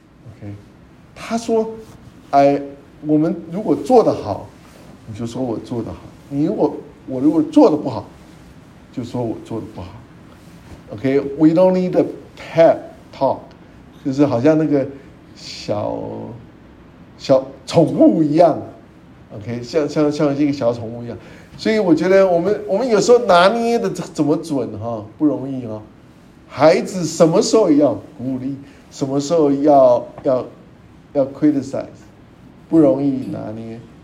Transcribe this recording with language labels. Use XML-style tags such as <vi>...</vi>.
<zh>OK， 他说，哎，我们如果做得好，你就说我做得好；我如果做得不好，就说我做得不好。 OK，</zh> <en>we don't need a pep talk，</en> <zh>就是好像那个小宠物一样。 OK， 像一个小宠物一样。所以我觉得我们有时候拿捏的怎么准哈，不容易哦。孩子什么时候要鼓励，什么时候要 criticize， 不容易拿捏。</zh>